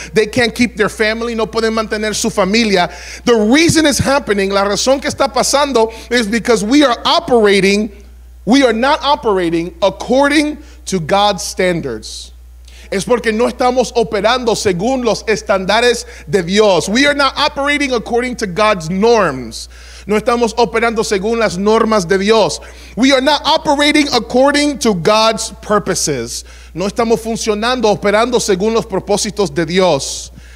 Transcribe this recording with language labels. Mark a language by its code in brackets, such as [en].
[en] They can't keep their family, [es] no pueden mantener su familia. [en] The reason it's happening, [es] la razón que está pasando, [en] is because we are not operating according to God's standards. [es] Es porque no estamos operando según los estándares de Dios. [en] We are not operating according to God's norms. [es] No estamos operando según las normas de Dios. [en] We are not operating according to God's purposes. [es] No estamos funcionando, operando según los propósitos de Dios.